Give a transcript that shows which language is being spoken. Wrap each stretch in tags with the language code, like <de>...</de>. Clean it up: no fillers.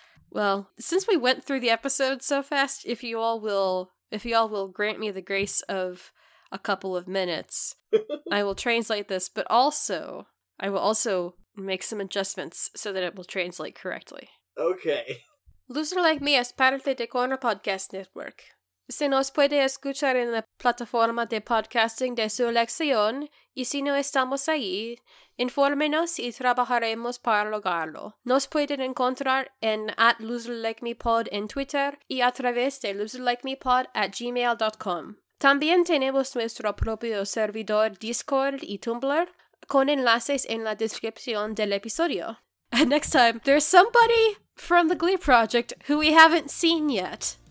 <en>Well, since we went through the episode so fast, if you all will grant me the grace of a couple of minutes, I will translate this, but also, I will also make some adjustments so that it will translate correctly. Okay.</en> <es>Loser Like Me es parte de Corner Podcast Network. Se nos puede escuchar en la plataforma de podcasting de su elección, y si no estamos ahí, infórmenos y trabajaremos para lograrlo. Nos pueden encontrar en @loserlikemepod en Twitter y a través de loserlikemepod@gmail.com. También tenemos nuestro propio servidor Discord y Tumblr, con enlaces en la descripción del episodio.</es> <en>Next time, there's somebody from the Glee Project who we haven't seen yet.</en>